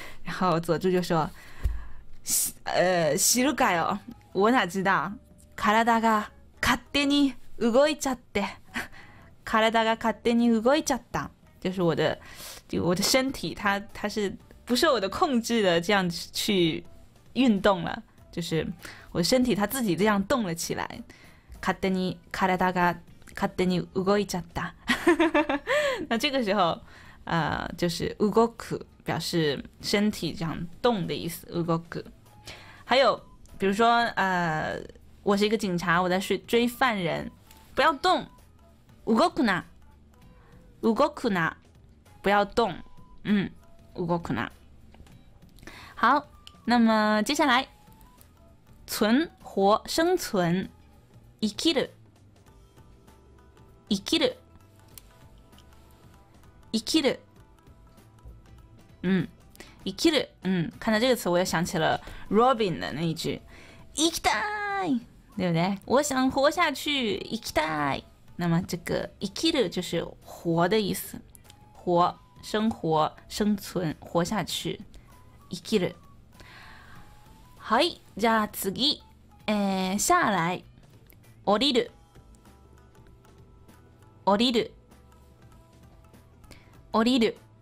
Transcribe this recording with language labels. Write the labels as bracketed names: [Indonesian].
[Chinese] 然后佐助就说， [Japanese] 知るかよ， [Chinese] 我哪知道， [Japanese] 体が勝手に動いちゃって，体が勝手に動いちゃった， [Chinese] 就是我的身体，它是不受我的控制的，这样去运动了，就是我身体它自己这样动了起来。 [Japanese] 勝手に体が勝手に動いちゃった。 [Chinese] 那这个时候，就是動く，表示身体这样动的意思。動く。还有，比如说，我是一个警察，我在追犯人，不要动。 [Japanese] 動くな。動くな。 [Chinese] 不要动。 [Japanese] 嗯。動くな。 [Chinese] 好，那么接下来，存活生存，生きる，生きる，生きる，嗯，生きる，嗯，看到这个词，我又想起了 Robin 的那一句， [Japanese] 生きたい， [Chinese] 对不对？我想活下去， [Japanese] 生きたい。 [Chinese] 那么这个生きる就是活的意思，活。生活生存活下去，生きる。 [Japanese] はい、じゃあ次、下来、降りる、降りる、降りる。